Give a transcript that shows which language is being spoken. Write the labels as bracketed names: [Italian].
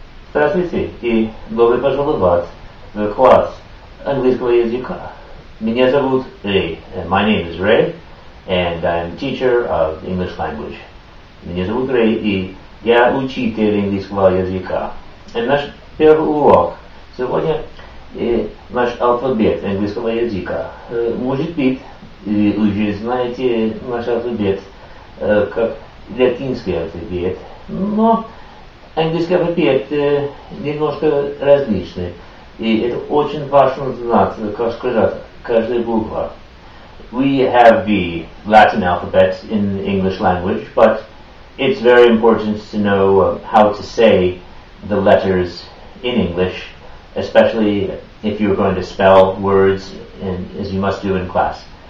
[Russian] Здравствуйте и добро пожаловать в класс английского языка. Меня зовут Рэй. [English] My name is Рэй and I'm teacher of English language. [Russian] Меня зовут Рэй и я учитель английского языка. И наш первый урок сегодня наш алфабет английского языка. Может быть, вы уже знаете наш алфабет как латинский алфавит, но английский алфавит немножко различный, и это очень важно знать, как сказать, каждая буква. [English] We have the Latin alphabet in the English language, but it's very important to know how to say the letters in English, especially if you're going to spell words, and as you must do in class.